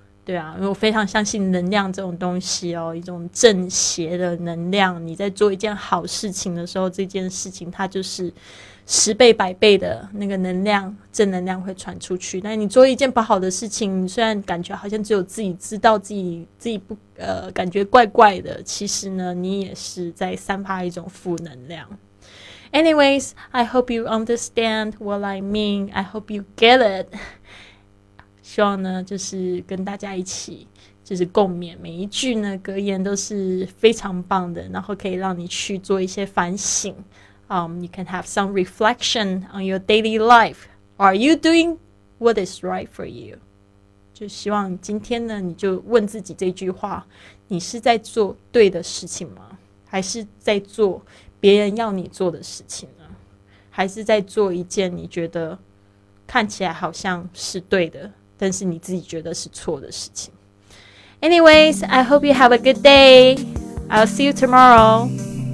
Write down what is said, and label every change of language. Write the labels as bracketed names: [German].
[Chinese] 对啊，因为我非常相信能量这种东西哦，一种正邪的能量，你在做一件好事情的时候，这件事情它就是10倍100倍的那个能量，正能量会传出去。那你做一件不好的事情，虽然感觉好像只有自己知道，自己不感觉怪怪的，其实呢你也是在散发一种负能量。 [English] Anyways, I hope you understand what I mean. I hope you get it. [Chinese] 希望呢就是跟大家一起就是共勉，每一句呢格言都是非常棒的，然后可以让你去做一些反省。 [English] You can have some reflection on your daily life. Are you doing what is right for you? [Chinese] 就希望今天呢你就问自己这句话，你是在做对的事情吗？还是在做别人要你做的事情呢？还是在做一件你觉得看起来好像是对的，但是你自己觉得是错的事情。 [English] Anyways, I hope you have a good day. I'll see you tomorrow.